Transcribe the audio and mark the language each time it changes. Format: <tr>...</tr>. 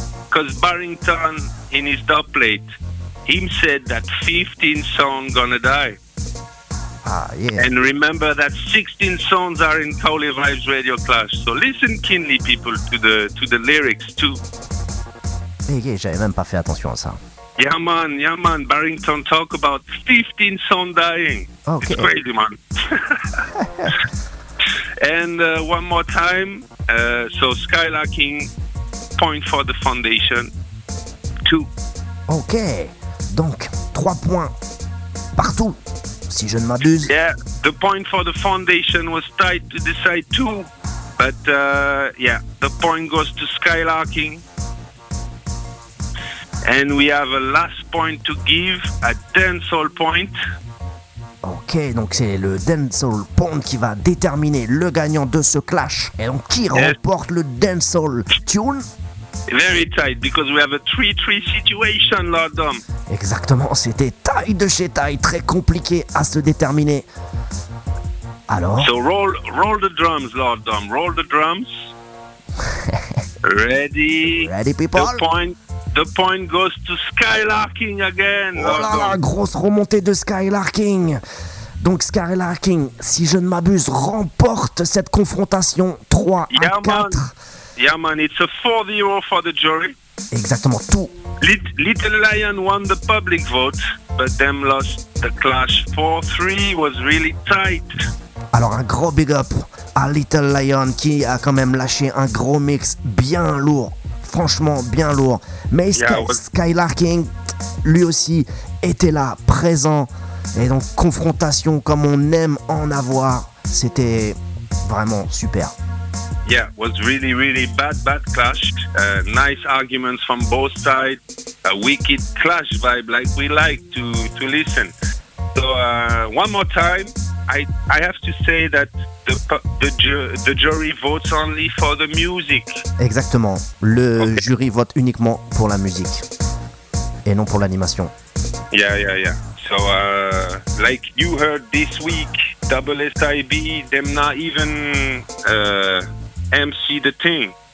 <en>Because Barrington, in his dub plate, he said that 15 songs gonna die. Ah, yeah. And remember that 16 songs are in Cowley Vibes Radio Clash. So listen keenly, people, to the lyrics too.</en> <fr>Hey, j'avais même pas fait attention à ça.</fr> <en>Yeah, man. Yeah, man. Barrington talk about 15 sound dying. Okay. It's crazy, man. And one more time. So Skylarking, point for the foundation. 2.</en> <fr>Okay. Donc, 3 points partout, si je ne m'abuse.</fr> <en>Yeah, the point for the foundation was tied to the side 2. But yeah, the point goes to Skylarking. And we have a last point to give, a dancehall point.</en> <fr>Ok, donc c'est le dancehall point qui va déterminer le gagnant de ce clash. Et donc qui remporte le dancehall tune?</fr> <en>Very tight, because we have a 3-3 situation, Lord Dom.</en> <fr>Exactement, c'était taille de chez taille, très compliqué à se déterminer. Alors?</fr> <en>So roll the drums, Lord Dom, roll the drums. Ready? Ready, people? The point goes to Skylarking again.</en> <fr>Oh là là, grosse remontée de Skylarking. Donc Skylarking, si je ne m'abuse, remporte cette confrontation 3 à 4.</fr> <en>Yeah man, it's a 4-0 for the jury.</en> <fr>Exactement, tout.</fr> <en>Little Lion won the public vote, but them lost the clash. 4-3 was really tight.</en> <fr>Alors un gros big up à Little Lion qui a quand même lâché un gros mix bien lourd. Franchement, bien lourd. Mais Skylarking, lui aussi, était là, présent. Et donc, confrontation comme on aime en avoir. C'était vraiment super.</fr> <en>Yeah, it was really, really bad clash. Nice arguments from both sides. A wicked clash vibe like we like to listen. So, one more time. I have to say that the jury votes only for the music.</en> <fr>Exactement. Le jury vote uniquement pour la musique et non pour l'animation.</fr> <en>Yeah. So like you heard this week, SSIB them not even MC the thing.</en>